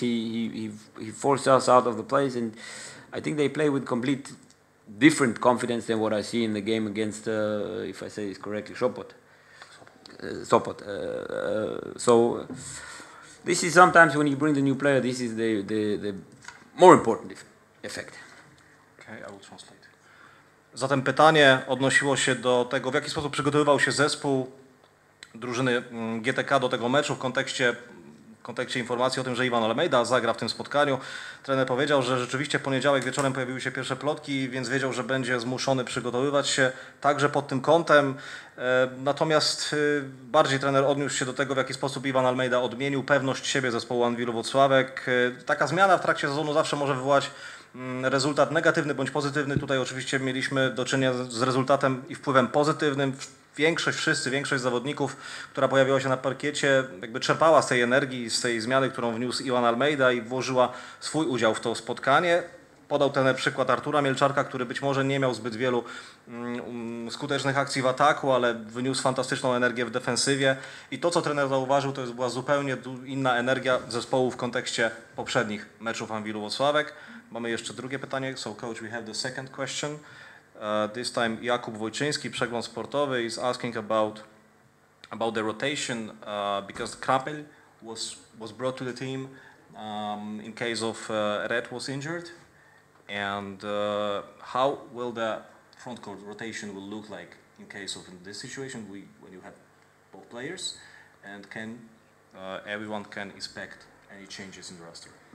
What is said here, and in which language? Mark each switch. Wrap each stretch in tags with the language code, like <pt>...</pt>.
<en>He forced us out of the place, and I think they play with complete different confidence than what I see in the game against, if I say this correctly, Sopot. Sopot. So... this is sometimes when you bring the new player, this is the more important effect. Okay, I will translate.</en> <pl>Zatem pytanie odnosiło się do tego, w jaki sposób przygotowywał się zespół drużyny GTK do tego meczu w kontekście informacji o tym, że Iwan Almeida zagra w tym spotkaniu. Trener powiedział, że rzeczywiście poniedziałek wieczorem pojawiły się pierwsze plotki, więc wiedział, że będzie zmuszony przygotowywać się także pod tym kątem. Natomiast bardziej trener odniósł się do tego, w jaki sposób Iwan Almeida odmienił pewność siebie zespołu Anwilu Włocławek. Taka zmiana w trakcie sezonu zawsze może wywołać rezultat negatywny bądź pozytywny. Tutaj oczywiście mieliśmy do czynienia z rezultatem i wpływem pozytywnym. Większość zawodników, która pojawiła się na parkiecie, jakby czerpała z tej energii, z tej zmiany, którą wniósł Iwan Almeida i włożyła swój udział w to spotkanie. Podał ten przykład Artura Mielczarka, który być może nie miał zbyt wielu skutecznych akcji w ataku, ale wyniósł fantastyczną energię w defensywie. I to, co trener zauważył, to była zupełnie inna energia zespołu w kontekście poprzednich meczów Anwilu Włocławek. Mamy jeszcze drugie pytanie.</pl> <en>So coach, we have the second question. This time Jakub Wojczyński, Przegląd Sportowy, is asking about the rotation because Krapel was brought to the team in case of Red was injured, and how will the front court rotation will look like in case of in this situation when you have both players, and can everyone can expect any changes in the roster?</en>